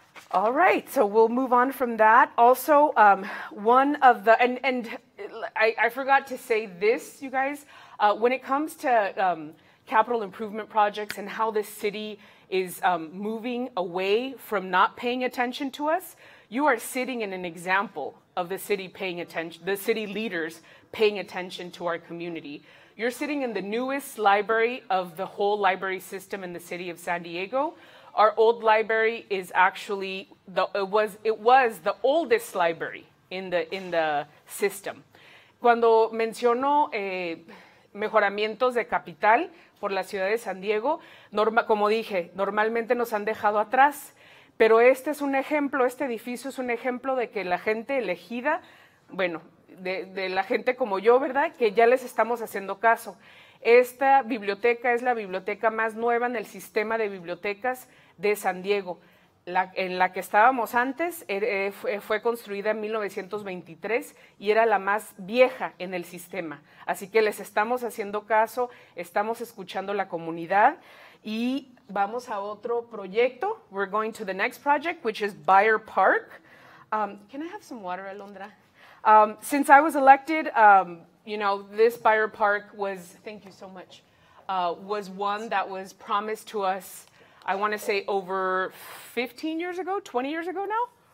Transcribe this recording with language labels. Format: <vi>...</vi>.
<en>All right, so we'll move on from that. Also, one of the, and I forgot to say this, you guys, when it comes to capital improvement projects and how this city is moving away from not paying attention to us, you are sitting in an example of the city paying attention, the city leaders paying attention to our community. You're sitting in the newest library of the whole library system in the city of San Diego. Our old library is actually it was the oldest library in the system.</en> <es>Cuando menciono mejoramientos de capital por la ciudad de San Diego, normalmente nos han dejado atrás, pero este es un ejemplo, este edificio es un ejemplo de que la gente elegida, bueno, de la gente como yo, ¿verdad?, que ya les estamos haciendo caso. Esta biblioteca es la biblioteca más nueva en el sistema de bibliotecas de San Diego. En la que estábamos antes fue construida en 1923 y era la más vieja en el sistema. Así que les estamos haciendo caso, estamos escuchando la comunidad y vamos a otro proyecto.</es> <en>We're going to the next project, which is Buyer Park. Can I have some water, Alondra? Since I was elected, this Buyer Park was, thank you so much, was one that was promised to us, I want to say over 15 years ago, 20 years ago now.</en>